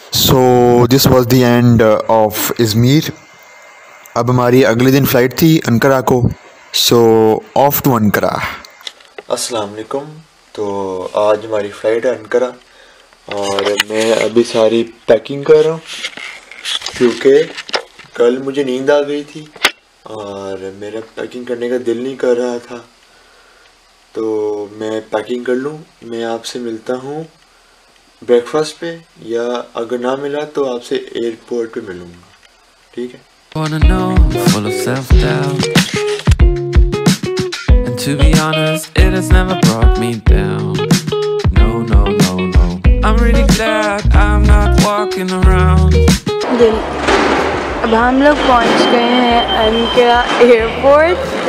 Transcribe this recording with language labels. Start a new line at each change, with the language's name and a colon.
English: So this was the end of Izmir.
Hindi: अब हमारी अगले दिन फ्लाइट थी अंकारा को,
English: So off to Ankara.
Hindi: अस्सलाम वालेकुम। तो आज हमारी फ्लाइट है अंकारा और मैं अभी सारी पैकिंग कर रहा हूँ क्योंकि कल मुझे नींद आ गई थी और मेरा पैकिंग करने का दिल नहीं कर रहा था, तो मैं पैकिंग कर लूँ, मैं आपसे मिलता हूँ ब्रेकफास्ट पे, या अगर ना मिला तो आपसे एयरपोर्ट पे मिलूँगा, ठीक है?
English: Wanna know, full of self-doubt. And to be honest, it has never brought me down. No, no, no, no. I'm really glad I'm not walking around.
Hindi: Then, ab hum log pahunch gaye hain Ankara Airport.